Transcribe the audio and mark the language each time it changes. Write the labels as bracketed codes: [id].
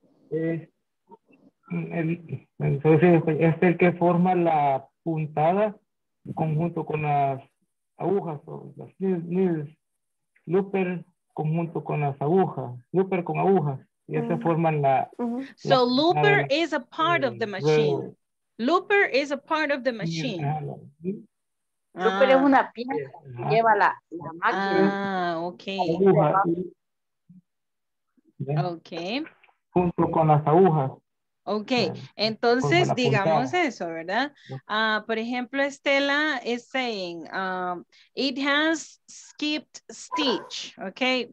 [es] Entonces es el que forma la puntada conjunto con las agujas o las needles, looper conjunto con las agujas, looper con agujas y se forman la. [en] So looper is a part of the machine. Looper is a part of the machine. [es] Looper es una pieza que lleva la máquina. Ah, okay. Okay. Junto con las agujas. Ok, entonces digamos eso, ¿verdad? Por ejemplo, Estela [en] is saying, it has skipped stitch, [es] ¿ok?